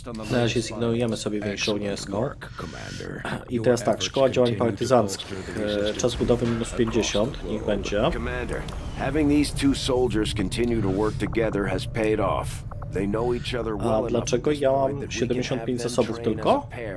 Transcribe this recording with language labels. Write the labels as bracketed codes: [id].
[pl] Teraz zignorujemy sobie więź żołnierską. I teraz tak, szkoła działań partyzanckich. Czas budowy minus 50, niech będzie. [en] Having these two soldiers continue to work together has paid off. [pl] A dlaczego ja mam 75 zasobów tylko?